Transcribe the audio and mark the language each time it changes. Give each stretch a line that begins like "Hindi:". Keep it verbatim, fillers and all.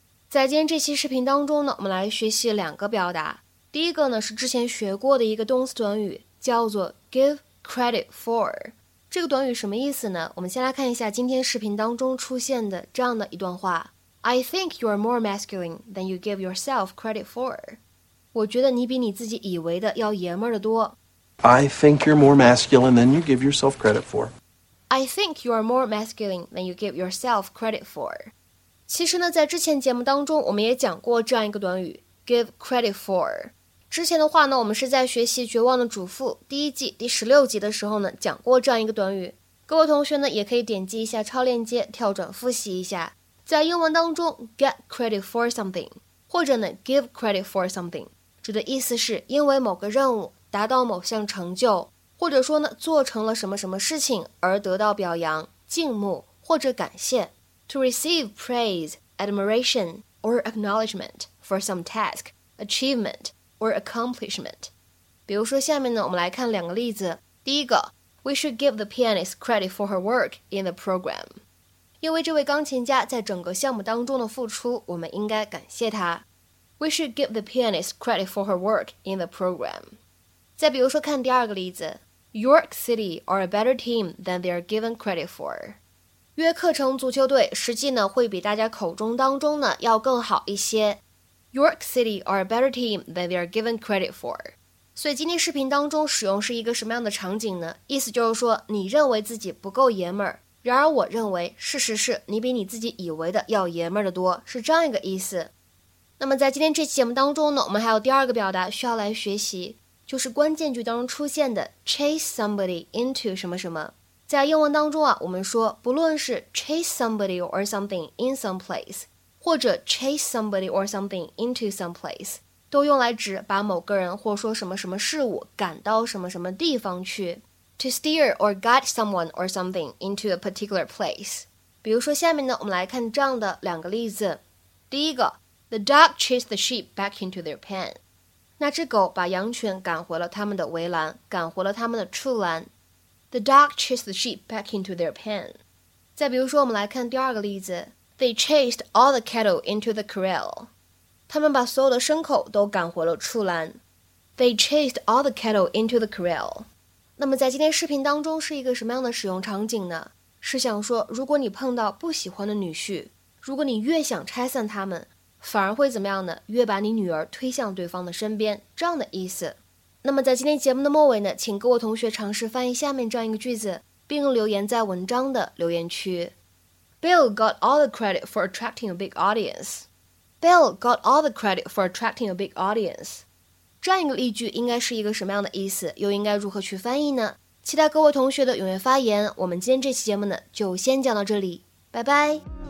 Chinese: 在今天这期视频当中呢，我们来学习两个表达。第一个呢是之前学过的一个动词短语，叫做 give credit for。这个短语什么意思呢？我们先来看一下今天视频当中出现的这样的一段话。
English: I think you are more masculine than you give yourself credit for.
Chinese: 我觉得你比你自己以为的要爷们儿的多。
English: I think you're more masculine than you give yourself credit for. I think you are more masculine than you give yourself credit for.
Chinese: 其实呢，在之前节目当中我们也讲过这样一个短语 give credit for。之前的话呢，我们是在学习《绝望的主妇》第一季第十六集的时候呢，讲过这样一个短语。各位同学呢，也可以点击一下超链接，跳转复习一下。在英文当中 ，get credit for something， 或者呢 give credit for something， 指的意思是因为某个任务达到某项成就，或者说呢做成了什么什么事情而得到表扬、敬慕或者感谢。
English: To receive praise, admiration, or acknowledgement for some task, achievement. or accomplishment.
Chinese: 比如说下面呢，我们来看两个例子。第一个
English: We should give the pianist credit for her work in the program.
Chinese: 因为这位钢琴家在整个项目当中的付出，我们应该感谢他。
English: We should give the pianist credit for her work in the program.
Chinese: 再比如说看第二个例子
English: York City are a better team than they are given credit for.
Chinese: 约克城足球队实际呢会比大家口中当中呢要更好一些。
English: York City are a better team than they are given credit for.
Chinese: 所以今天视频当中使用是一个什么样的场景呢？意思就是说，你认为自己不够爷们儿，然而我认为事实是你比你自己以为的要爷们儿的多，是这样一个意思。那么在今天这期节目当中呢，我们还有第二个表达需要来学习，就是关键句当中出现的 chase somebody into 什么什么。在英文当中啊，我们说不论是 chase somebody or something in some place 或者 chase somebody or something into some place 都用来指把某个人或说什么什么事物赶到什么什么地方去。
English: To steer or guide someone or something into a particular place
Chinese: 比如说下面呢，我们来看这样的两个例子。第一个
English: The dog chased the sheep back into their pen
Chinese: 那只狗把羊群赶回了他们的围栏，赶回了他们的畜栏。
English: The dog chased the sheep back into their pen.
Chinese: 再比如说，我们来看第二个例子。
English: They chased all the cattle into the corral.
Chinese: 他们把所有的牲口都赶回了畜栏。
English: They chased all the cattle into the corral.
Chinese: 那么在今天视频当中是一个什么样的使用场景呢？是想说，如果你碰到不喜欢的女婿，如果你越想拆散他们，反而会怎么样呢？越把你女儿推向对方的身边，这样的意思。那么在今天节目的末尾呢，请各位同学尝试翻译下面这样一个句子，并留言在文章的留言区。
English: Bill got all the credit for attracting a big audience. Bill got all the credit for attracting a big audience.
Chinese: 这样一个例句应该是一个什么样的意思，又应该如何去翻译呢？期待各位同学的踊跃发言。我们今天这期节目呢，就先讲到这里，拜拜。